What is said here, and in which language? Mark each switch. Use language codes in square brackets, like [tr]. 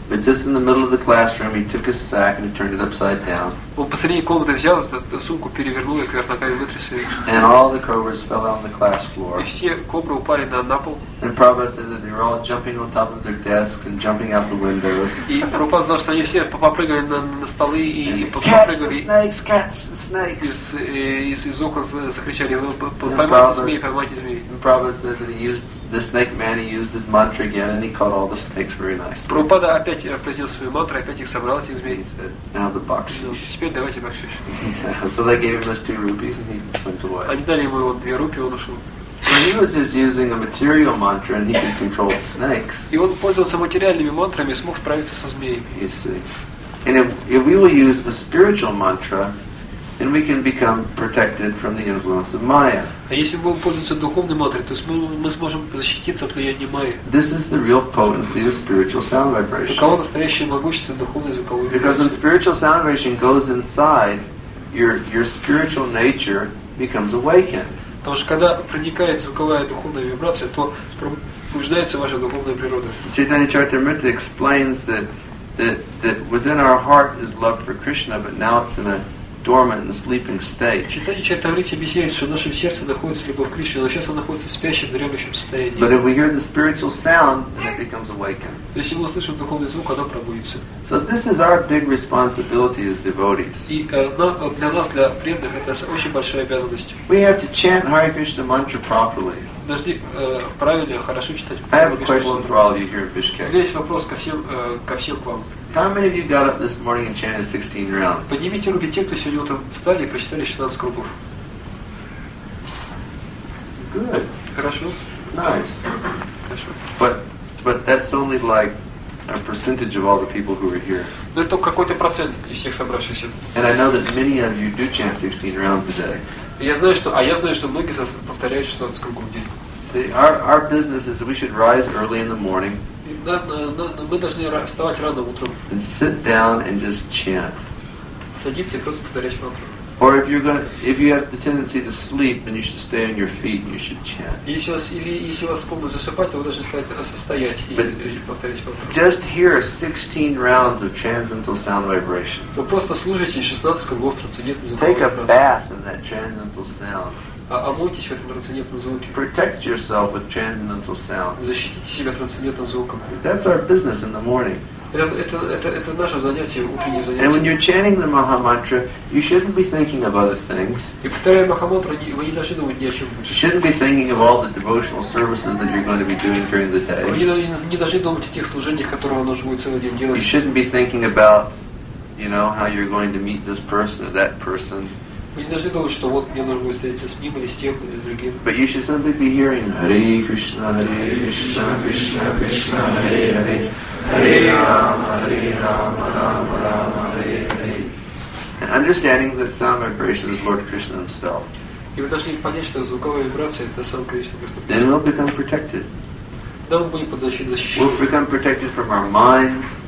[en] But just in the middle of the classroom, he took his sack and he turned it upside down. [ru] Он посреди комнаты взял эту сумку, перевернул ее кверху ногами и вытряс ее. [en] And all the cobras fell on the class floor. [ru] И все кобры упали на пол. [en] And Prabhupada said that they were all jumping on top of their desks and jumping out the windows. [ru] И Прабхупада сказал, что они все попрыгали на столы и попрыгали. [en] Catch the snakes! [ru] Из окон закричали, поймайте змеи, поймайте змеи. [en] And Prabhupada said that the snake man used his mantra again and he caught all the snakes very nice. [ru] Прабхупада опять произнес свою мантру, опять их собрал, этих змей. [en] He said, now the bakshish. [ru] Теперь давайте бакшиш. [en] So they gave him his 2 rupees and he went away. [ru] Они дали ему его 2 рупии, он ушел. [en] So he was just using a material mantra and he could control the snakes. [ru] И он пользовался материальными мантрами и смог справиться со змеями. [en] You see. And if we will use a spiritual mantra, then we can become protected from the influence of Maya. [ru] А если мы будем пользоваться духовной мантрой, то мы сможем защититься от влияния Майи. [en] This is the real potency of spiritual sound vibration. [ru] Каково настоящее могущество духовной звуковой вибрации? [en] Because when spiritual sound vibration goes inside, your spiritual nature becomes awakened. [ru] Потому что когда проникает звуковая духовная вибрация, то пробуждается ваша духовная природа. [en] Chaitanya Charitamrita explains that within our heart is love for Krishna, but now it's in a dormant and sleeping state. [ru] Читатель Чайтаврити объясняет, что в нашем сердце находится любовь к Кришне, но сейчас он находится в спящем, дремлющем состоянии. [en] But if we hear the spiritual sound, then it becomes awakened. [ru] То есть, если мы услышим духовный звук, оно пробудится. [en] So this is our big responsibility as devotees. [ru] И для нас, для преданных, это очень большая обязанность. [en] We have to chant Hare Krishna mantra properly. [ru] Дожди правильно, хорошо читать. [en] I have a question for all of you here in Bishkek. [ru] Здесь вопрос ко всем к вам. [en] How many of you got up this morning and chanted 16 rounds? [ru] Поднимите руки те, кто сегодня утром встали и прочитали 16 кругов. [en] Good. [ru] Хорошо. [en] Nice. [ru] Хорошо. [en] But that's only like a percentage of all the people who are here. [ru] Но это какой-то процент из всех собравшихся. [en] And I know that many of you do chant 16 rounds a day. [ru] Я знаю, что многие из вас повторяют 16 кругов в день. [en] See, our business is we should rise early in the morning. [ru] Мы должны вставать рано утром. [en] And sit down and just chant. [ru] Садиться и просто повторять мантру. [en] Or if you have the tendency to sleep, then you should stay on your feet and you should chant. [ru] Если у вас склонность засыпать, то вы должны стоять, стоять и повторять мантру. [en] Just hear 16 rounds of transcendental sound vibration. [ru] Вы просто слушайте 16 кругов трансцендентной звуковой [en] Take a bath in that transcendental sound. [ru] Омойтесь в этом трансцендентном звуке. [en] Protect yourself with transcendental sound. [ru] Защитите себя трансцендентным звуком. [en] That's our business in the morning. [ru] Это наше занятие, утреннее занятие. [en] And when you're chanting the Maha Mantra, you shouldn't be thinking of other things. [ru] И повторяя Маха Мантру, вы не должны думать ни о чем. [en] You shouldn't be thinking of all the devotional services that you're going to be doing during the day. [ru] Вы не должны думать о тех служениях, которые вам нужно будет целый день делать. [en] You shouldn't be thinking about, you know, how you're going to meet this person or that person. [ru] Вы не должны думать, что вот мне нужно будет встретиться с ним или с тем, или с другим. [en] But you should simply be hearing Hare Krishna, Hare Krishna, Krishna Krishna, Krishna Hare Hare. Hare Rama, Hare Rama, Rama Rama, Hare Hare. And understanding that sound vibration is Lord Krishna Himself. [ru] И вы должны понять, что звуковая вибрация это сам Кришна Господь. [en] Then we'll become protected. [ru] Да, мы будем под защитой. [en] We'll become protected from our minds.